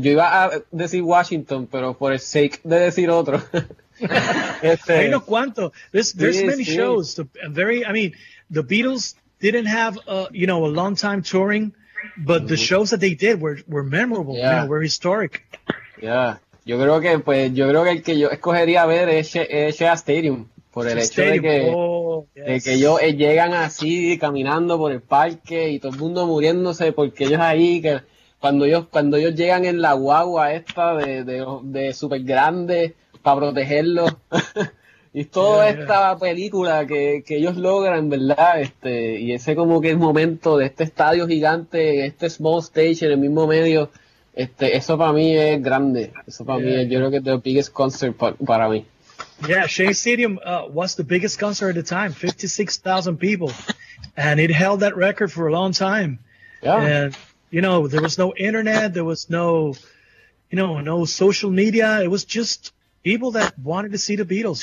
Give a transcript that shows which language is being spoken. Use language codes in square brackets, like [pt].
[es] Yo iba a decir Washington, pero por el sake de decir otro. Hay unos cuantos. [en] There's many shows. The Beatles didn't have a long time touring, but the shows that they did were memorable. Yeah. Were historic. Yeah. [es] Yo creo que el que yo escogería ver es Shea Stadium. Por el hecho de que ellos llegan así caminando por el parque y todo el mundo muriéndose porque ellos ahí, que cuando ellos llegan en la guagua esta de super grande para protegerlos y toda esta película que ellos logran, ¿verdad? Y ese como que el momento de este estadio gigante, este [en] small stage [es] en el mismo medio, eso para mí es grande. Eso para mí es, yo creo que es el [en] biggest concert [es] para mí. [en] Yeah, Shea Stadium was the biggest concert at the time, 56,000 people, and it held that record for a long time. Yeah. And, you know, there was no internet, there was no social media. It was just people that wanted to see the Beatles.